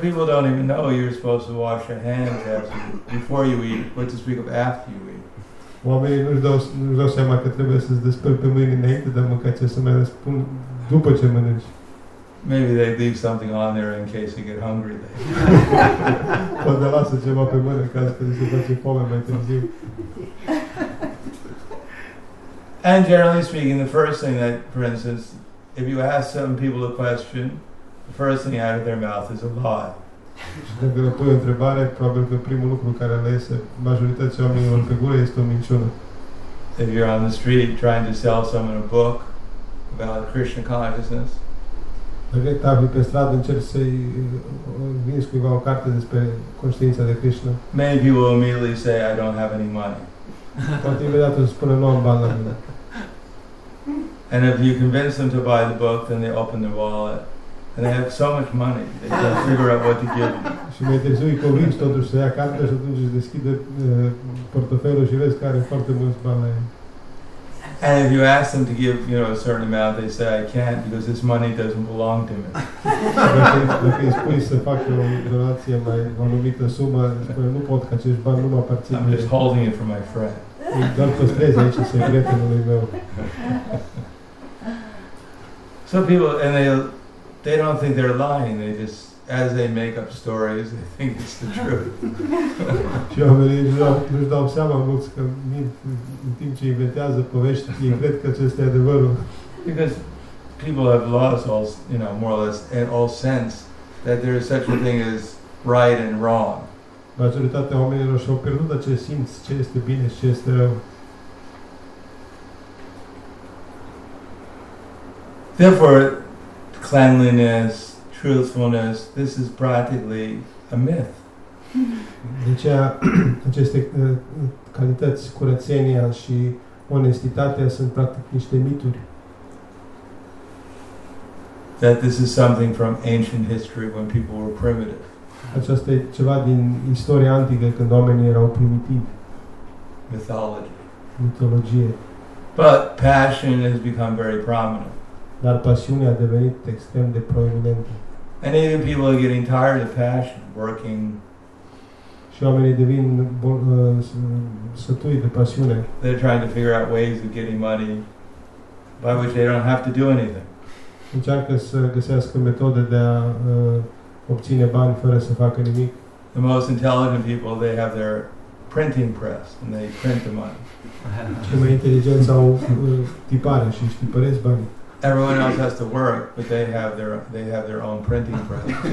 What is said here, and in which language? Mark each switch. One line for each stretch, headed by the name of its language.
English: people don't even know you're supposed to wash your hands after, before you eat, but to speak of after you eat.
Romanian: Oamenii nu-și dau seama că trebuie să-ți despăr pe mâini înainte de a mânca, ce să mai răspund după ce mănânci.
English: Maybe they leave something on there in case you get hungry later.
Romanian: Poate lasă ceva pe mână în caz că se face foame mai târziu.
English: And generally speaking, the first thing that, for instance, if you ask some people a question, the first thing out of their mouth is a lie.
Romanian: Când le pui o întrebare, probabil că primul lucru care le iese majoritatea oamenilor pe gură este o minciună.
English: If you're on the street trying to sell someone a book about Krishna consciousness,
Romanian: dacă tabi pe stradă încerci să-i vinzi cuiva o carte despre conștiința de Krishna,
English: many people will immediately say, I don't have any money.
Romanian: Poate imediat îți spune, nu am bani la mine.
English: And if you convince them to buy the book, then they open their wallet. And they have so much money, they can figure out what to give you.
Romanian: Și mai târziu îi convinci totuși să ia cartea și atunci îți deschide portofelul și vezi că are foarte mulți bani la ei.
English: And if you ask them to give, you know, a certain amount, they say, I can't because this money doesn't belong to me.
Romanian: Dacă îi spui să facă o donație mai o anumită sumă, spune, nu pot, că acești bani nu mă aparțin.
English: I'm just holding it for my friend.
Romanian: Îi doar păstrezi aici secretului meu.
English: Some people, and they don't think they're lying, they just, as they make up stories, they think it's the truth.
Romanian: Și oamenii nu-și dau seama mulți că în timp ce inventează povești, ei cred că acesta e adevărul.
English: Because people have lost all, you know, more or less, and all sense that there is such a thing as right and wrong.
Romanian: Majoritatea oamenilor și-au pierdut acest simț, ce este bine și ce este rău.
English: Therefore, cleanliness, truthfulness, this is practically a myth.
Romanian: Deci aceste calități, curățenia și onestitatea sunt practic niște mituri.
English: That this is something from ancient history when people were primitive.
Romanian: Aceasta e ceva din istoria antică când oamenii erau primitivi.
English: Mythology.
Romanian: Mitologie.
English: But passion has become very prominent.
Romanian: Dar pasiunea a devenit extrem de proeminentă.
English: And even people are getting tired of passion, working.
Romanian: Și oamenii devin sătui de pasiune.
English: They're trying to figure out ways of getting money by which they don't have to do anything.
Romanian: Încearcă să găsească metode de a obține bani fără să facă nimic.
English: The most intelligent people, they have their printing press and they print the money.
Romanian: Cei mai inteligenți au tipare și își tipăresc banii.
English: Everyone else has to work, but they have their own printing press.